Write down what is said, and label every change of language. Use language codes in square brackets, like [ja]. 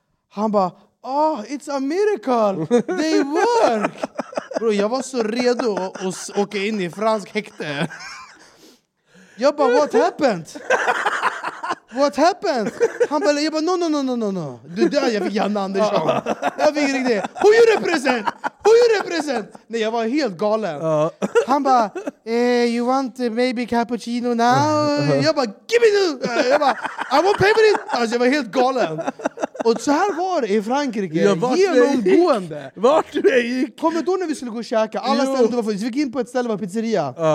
[sv] Han bara, [en] oh, it's a miracle. They work. [sv] Bro, jag var så redo att åka in i fransk häkte. Jag bara, [en] what happened? What happened? [sv] Han bara, jag bara, no. Du där, jag fick Janne Andersson. Jag fick ringa det. [en] Who you represent? [sv] Nej, jag var helt galen. Han bara, [en] you want maybe cappuccino now? [sv] Jag bara, [en] give me this. [sv] Jag bara, [en] I won't pay for it. [sv] Alltså, jag var helt galen. Och så här var det i Frankrike. Ja, genomgående. Vart du gick? Kommer då när vi skulle gå och käka? Alla ställen du var för. Vi gick in på ett ställe, var pizzeria.